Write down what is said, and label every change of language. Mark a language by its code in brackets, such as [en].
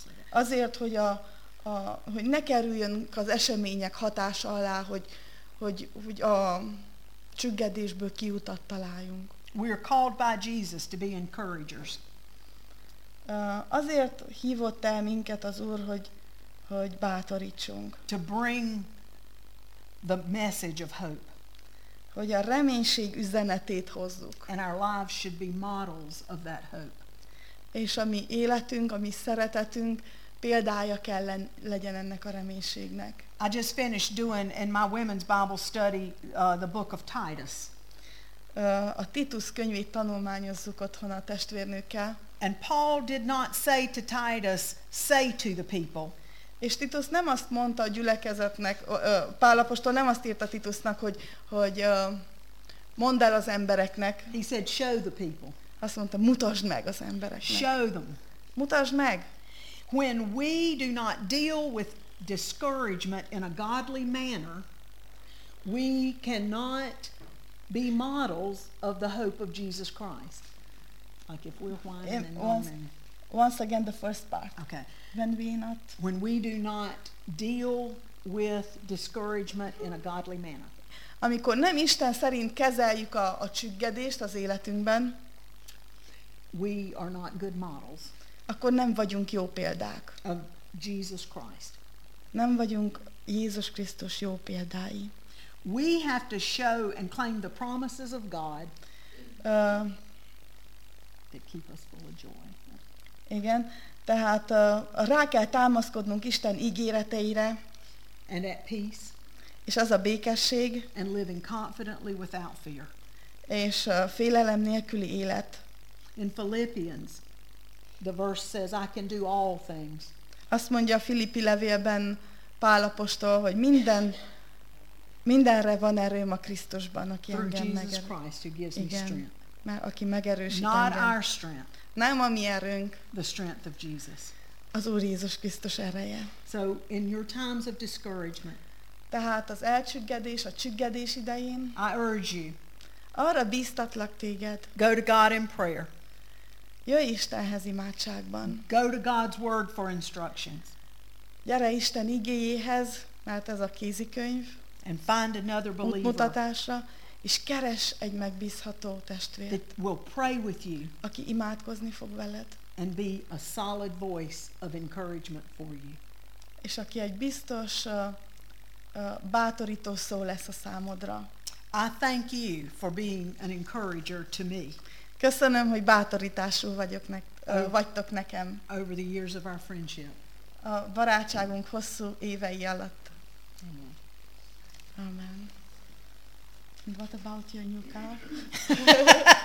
[hu] Azért, hogy hogy ne kerüljünk az események hatása alá, hogy a csüggedésből kiutat találjunk. [en] We are called by Jesus to be encouragers. [hu] Azért hívott el minket az Úr, hogy bátorítsunk. [en] To bring the message of hope. [hu] Hogy a reménység üzenetét hozzuk. [en] And our lives should be models of that hope. [hu] És a mi életünk, a mi szeretetünk példája kell legyen ennek a reménységnek. [en] I just finished doing in my women's Bible study the book of Titus. [hu] A Titus könyvét tanulmányozzuk otthon a testvérnőkkel. [en] And Paul did not say to Titus, say to the people. [hu] És Titus nem azt mondta a gyülekezetnek, Pál apostol nem azt írta Titusnak, hogy mondd el az embereknek. [en] He said, show the people. [hu] Azt mondta, mutasd meg az embereknek. [en] Show them. [hu] Mutasd meg. [en] When we do not deal with discouragement in a godly manner, we cannot be models of the hope of Jesus Christ. Like if we're whining and moaning. Once again, the first part. Okay. When we do not deal with discouragement in a godly manner. [hu] Amikor nem Isten szerint kezeljük a csüggedést az életünkben, [en] we are not good models. [hu] Akkor nem vagyunk jó példák. [en] Of Jesus Christ. [hu] Nem vagyunk Jézus Krisztus jó példái. [en] We have to show and claim the promises of God that keep us full of joy. [hu] Igen, tehát rá kell támaszkodnunk Isten ígéreteire, [en] and at peace, [hu] és az a békesség, [en] and living confidently without fear, [hu] és félelem nélküli élet. [en] In Philippians, the verse says, "I can do all things." [hu] Azt mondja a Filippi levélben Pál apostol, hogy mindenre van erőm a Krisztusban, aki engem megerősít. Igen, mert aki megerősít [en] Not [hu] engem. [en] Our strength. [hu] Nem a mi erőnk. [en] The strength of Jesus. [hu] Az Úr Jézus Krisztus ereje. [en] So in your times of discouragement. [hu] Tehát az elcsüggedés, a csüggedés idején. [en] I urge you. [hu] Arra bíztatlak téged. [en] Go to God in prayer. [hu] Jöjj Istenhez imádságban. [en] Go to God's word for instructions. [hu] Gyere Isten igéjéhez, mert ez a kézikönyv. [en] And find another believer. [hu] Útmutatásra. És keres egy megbízható testvért. [en] That will pray with you. [hu] Aki imádkozni fog veled. [en] And be a solid voice of encouragement for you. [hu] És aki egy biztos bátorító szó lesz a számodra. [en] I thank you for being an encourager to me. [hu] Köszönöm, hogy bátorítású vagyok vagytok nekem. [en] Over the years of our friendship. [hu] A barátságunk hosszú évei alatt. Amen. Amen. [en] And what about your new car?